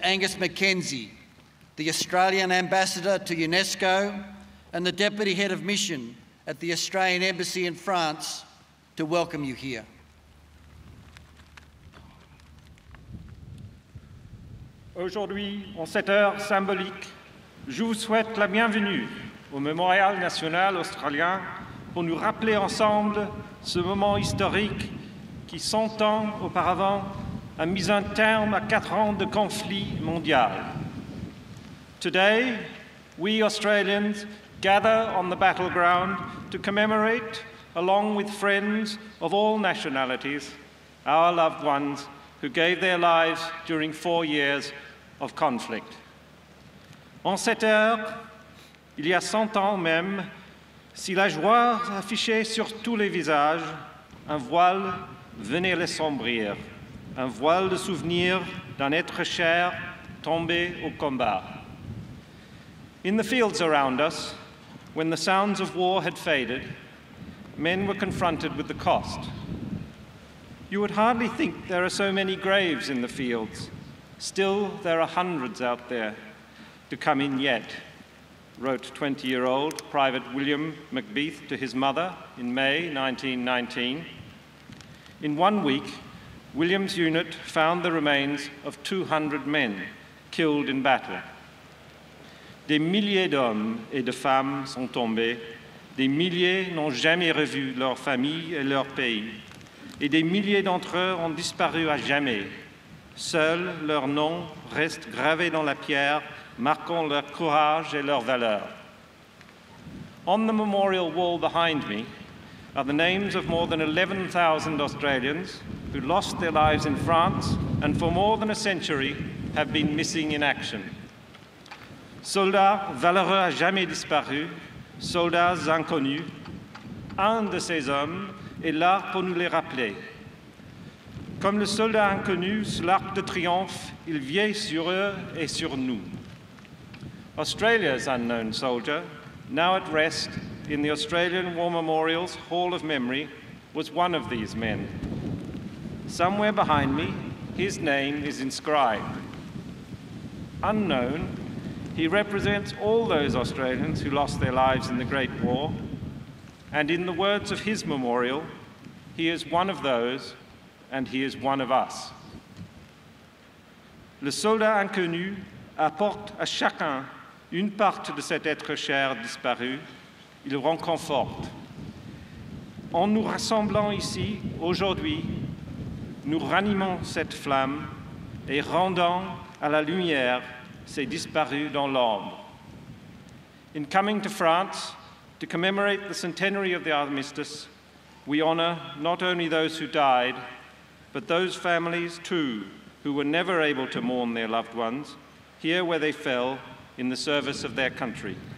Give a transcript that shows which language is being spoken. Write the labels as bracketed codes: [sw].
[en] Angus Mackenzie, the Australian Ambassador to UNESCO and the Deputy Head of Mission at the Australian Embassy in France, to welcome you here. [fr] Aujourd'hui, en cette heure symbolique, je vous souhaite la bienvenue au Mémorial National Australien pour nous rappeler ensemble ce moment historique qui, 100 ans auparavant, a mis un terme à 4 ans de conflit mondial. [en] Today, we Australians gather on the battleground to commemorate, along with friends of all nationalities, our loved ones who gave their lives during 4 years of conflict. [fr] En cette heure, il y a 100 ans même, si la joie affichait sur tous les visages, un voile venait les sombrir, un voile de souvenir d'un être cher tombé au combat. [en] In the fields around us, when the sounds of war had faded, men were confronted with the cost. You would hardly think there are so many graves in the fields. Still, there are hundreds out there to come in yet, wrote 20-year-old Private William McBeath to his mother in May 1919. In 1 week, William's unit found the remains of 200 men killed in battle. [fr] Des milliers d'hommes et de femmes sont tombés, des milliers n'ont jamais revu leur famille et leur pays, et des milliers d'entre eux ont disparu à jamais. Seuls leurs noms restent gravés dans la pierre, marquant leur courage et leur valeur. [en] On the memorial wall behind me are the names of more than 11,000 Australians who lost their lives in France and for more than a century have been missing in action. [fr] Soldats valeureux à jamais disparus, soldats inconnus, un de ces hommes est là pour nous les rappeler. Comme le soldat inconnu sous l'arc de triomphe, il veille sur eux et sur nous. [en] Australia's unknown soldier, now at rest in the Australian War Memorial's Hall of Memory, was one of these men. Somewhere behind me, his name is inscribed. Unknown, he represents all those Australians who lost their lives in the Great War, and in the words of his memorial, he is one of those, and he is one of us. [fr] Le soldat inconnu apporte à chacun une part de cet être cher disparu, il réconforte. En nous rassemblant ici, aujourd'hui, nous ranimons cette flamme et rendons à la lumière s'est disparu dans l'ombre. [en] In coming to France to commemorate the centenary of the Armistice, we honour not only those who died, but those families too who were never able to mourn their loved ones here where they fell in the service of their country.